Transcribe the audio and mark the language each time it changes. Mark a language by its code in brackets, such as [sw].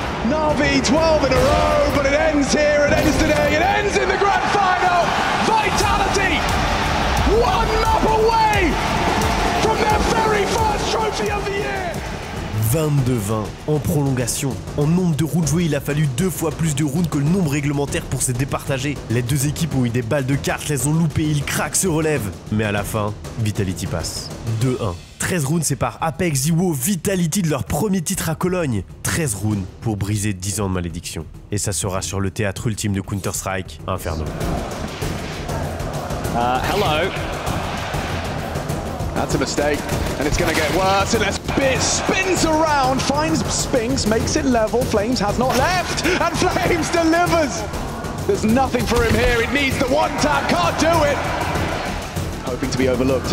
[en] Na'Vi 12 in a row, but it ends here, it ends today, it ends in the grand final. Vitality, one map away from their very first trophy of the year. [fr] 22-20 en prolongation. En nombre de rounds joués, il a fallu deux fois plus de rounds que le nombre réglementaire pour se départager. Les deux équipes ont eu des balles de cartes, elles ont loupé, ils craquent, se relèvent. Mais à la fin, Vitality passe. 2-1. 13 rounds séparent Apex, Ziwo, Vitality de leur premier titre à Cologne. 13 rounds pour briser 10 ans de malédiction. Et ça sera sur le théâtre ultime de Counter-Strike, Inferno. [en] Hello. That's a mistake, and it's going to get worse unless Bit spins around, finds Sphinx, makes it level, Flames has not left, and Flames delivers! There's nothing for him here, it needs the one tap, can't do it! Hoping to be overlooked.